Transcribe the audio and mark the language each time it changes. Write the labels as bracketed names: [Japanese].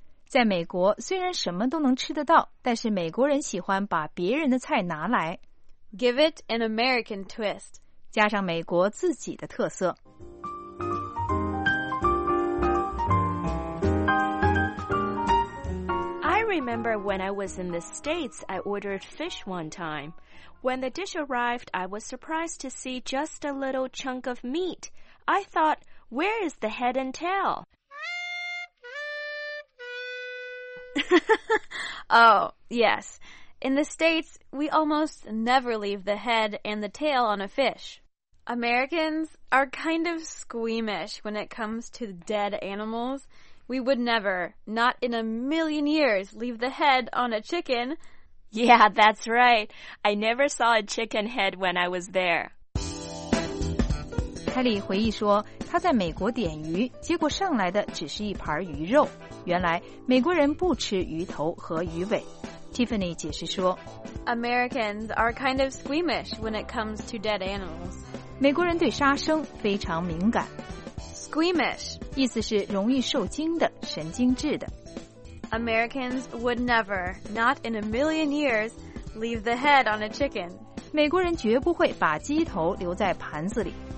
[Chinese] 在美国虽然什么都能吃得到，但是美国人喜欢把别人的菜拿来。 [English] Give it an American twist. [Chinese] 加上美国自己的特色。 [English] I remember when I was in the States, I ordered fish one time. When the dish arrived, I was surprised to see just a little chunk of meat. I thought, where is the head and tail? Oh, yes. In the States, we almost never leave the head and the tail on a fish. Americans are kind of squeamish when it comes to dead animals. We would never, not in a million years, leave the head on a chicken... Yeah, that's right. I never saw a chicken head when I was there. [Chinese] 凯里回忆说，他在美国点鱼，结果上来的只是一盘鱼肉。原来美国人不吃鱼头和鱼尾。 Tiffany 解释说， [English] Americans are kind of squeamish when it comes to dead animals. [Chinese] 美国人对杀生非常敏感。 [English] Squeamish [Chinese] 意思是容易受惊的，神经质的。 [English] Americans would never, not in a million years, leave the head on a chicken. [Chinese] 美国人绝不会把鸡头留在盘子里。